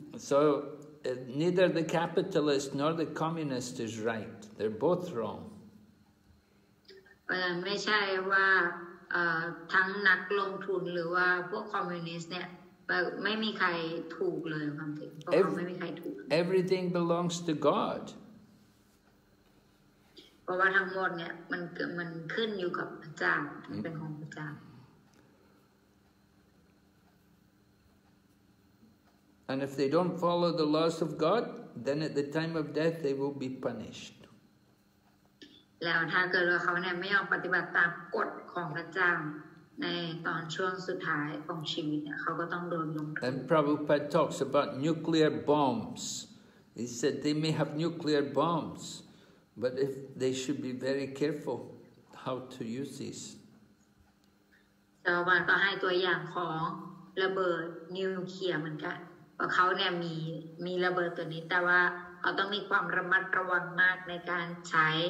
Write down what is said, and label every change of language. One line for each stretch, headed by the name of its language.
English: So neither the capitalist nor the communist is right they're both wrong
Thai: ไม่ใช่ว่าทั้งนักลงทุนหรือว่าพวกคอมมิวนิสต์เนี่ยไม่มีใครถูกเลยความจริงเพราะไม่มีใครถูก
English: Everything belongs to God
Thai: เพราะว่าทั้งหมดเนี่ยมันขึ้นอยู่กับพระเจ้าเป็นของพระเจ้า
English: And if they don't follow the laws of God then at the time of death they will be punished
Thai: แล้วถ้าเกิดว่าเขาเนี่ยไม่ยอมปฏิบัติตามกฎของพระเจ้าในตอนช่วงสุดท้ายของชีวิตเนี่ยเขาก็ต้องโดนลงโทษ
English: And Prabhupada talks about nuclear bombs. He said they may have nuclear bombs, but if they should be very careful how to use these.
Thai: แล้วก็ให้ตัวอย่างของระเบิดนิวเคลียร์เหมือนกันว่าเขาเนี่ยมีระเบิดตัวนี้แต่ว่าเขาต้องมีความระมัดระวังมากในการใช้